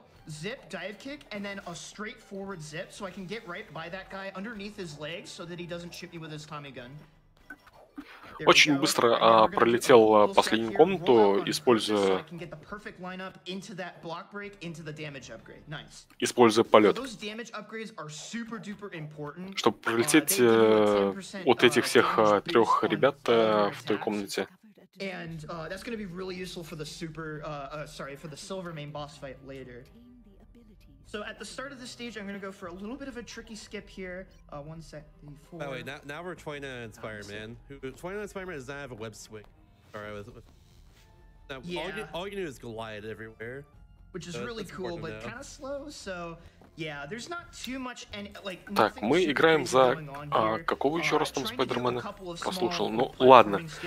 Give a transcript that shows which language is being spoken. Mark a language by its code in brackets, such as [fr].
[en] Zip, dive kick, and then a straightforward zip, so I can get right by that guy underneath his legs, so that he doesn't shoot me with his Tommy gun. [ru] Очень быстро пролетел последнюю комнату, используя полет. Чтобы пролететь от этих всех трех ребят в той комнате. [en] And that's gonna be really useful for the super, for the silver main boss fight later. So at the start of the stage, I'm gonna go for a little bit of a tricky skip here. One sec. Four. By the way, now we're 29 Spider-Man. 29 Spider-Man does not have a web swing. Sorry, I was. All you do is glide everywhere. Which is really cool, but kind of slow. So yeah, there's not too much any like. [ru] Так, мы играем за какого еще раз там Спайдермена? Послушал. Ну ладно.